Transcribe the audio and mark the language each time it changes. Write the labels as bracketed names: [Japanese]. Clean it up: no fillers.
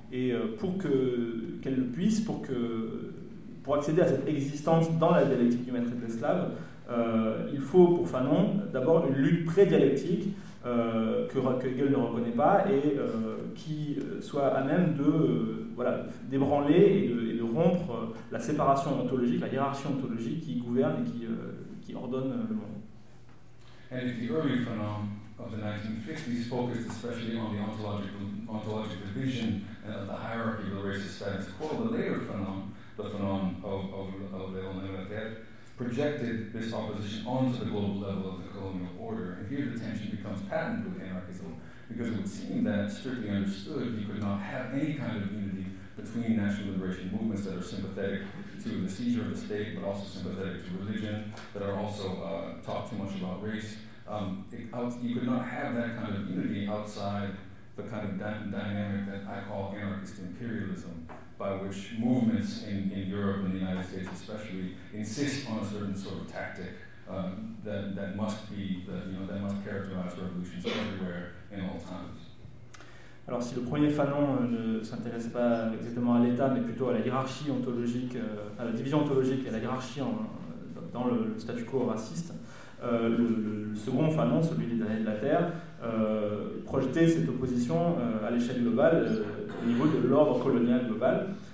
[French] Et pour accéder à cette existence dans la dialectique du maître et de l'esclave, il faut pour Fanon d'abord une lutte pré-dialectique que Hegel ne reconnaît pas et qui soit à même de d'ébranler et de rompre la séparation ontologique, la hiérarchie ontologique qui gouverne et qui ordonne le monde. [English] And if the early Fanon of the 1950s focused especially on the ontological vision of the hierarchy of the racist status quo, the later Fanon, the Fanon of Léon Leverrier, projected this opposition onto the global level of the colonial order. And here the tension becomes patent with anarchism, because it would seem that, strictly understood, you could not have any kind of unity between national liberation movements that are sympathetic to the seizure of the state, but also sympathetic to religion, that are also talk too much about race. You could not have that kind of unity outside the kind of dynamic that I call anarchist imperialism, by which movements in Europe and the United States especially insist on a certain sort of tactic that must be that must characterize revolutions everywhere in all times. [French] Alors si le premier Fanon ne s'intéresse pas exactement à l'État mais plutôt à la hiérarchie ontologique, à la division ontologique et à la hiérarchie dans le statu quo raciste, le second Fanon, celui des derniers de la Terre, projeter cette opposition à l'échelle globale, au niveau de l'ordre colonial global.